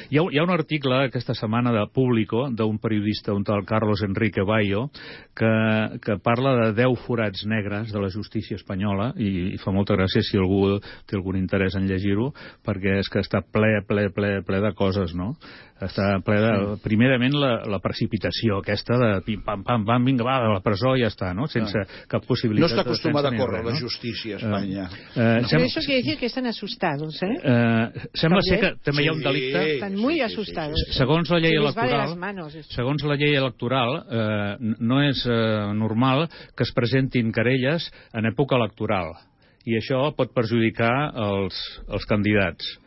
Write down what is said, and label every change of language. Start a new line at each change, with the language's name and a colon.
Catalan: Hi ha un article aquesta setmana de Público, d'un periodista, un tal Carlos Enrique Bayo, que parla de 10 forats negres de la justícia espanyola, i fa molta gràcia si algú té algun interès en llegir-ho, perquè és que està ple de coses, no? Està ple de... Primerament, la precipitació aquesta de pim-pam-pam-pam, vinga, va, a la presó i ja està, no? Sense cap possibilitat... No està acostumada a córrer la justícia a Espanya.
Spanish: Això quiere decir que están asustados, ¿eh?
Catalan: Sembla ser que també hi ha un delicte...
Spanish: Están muy asustados.
Catalan: Segons la llei electoral... Segons la llei electoral, no és normal que es presentin querelles en època electoral. I això pot perjudicar els candidats.